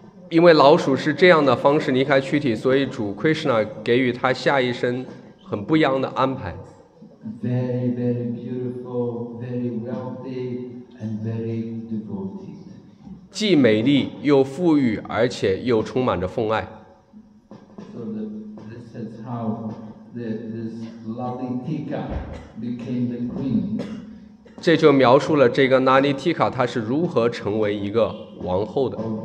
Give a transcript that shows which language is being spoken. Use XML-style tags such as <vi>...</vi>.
<zh>因为老鼠是这样的方式离开躯体，所以主 Krishna 给予他下一生很不一样的安排。</zh> <en>Very, very beautiful, very wealthy, and very devoted.</en> <zh>既美丽又富裕，而且又充满着奉爱。</zh> <en>So this is how this Lalitika became the queen.</en> <zh>这就描述了这个纳尼提卡她是如何成为一个王后的。</zh>